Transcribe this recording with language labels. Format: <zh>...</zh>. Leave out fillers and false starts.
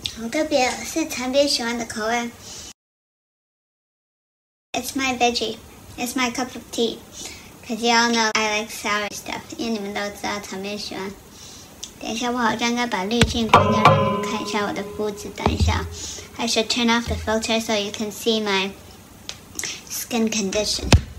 <zh>特别是陈斌喜欢的口味。</zh> <en>It's my veggie. It's my cup of tea. Because you all know I like sour stuff.</en> <zh>因为你们都知道陈斌喜欢。等一下我好像该把滤镜关掉，让你们看一下我的肤质。等一下</zh> <en>I should turn off the filter so you can see my skin condition.</en>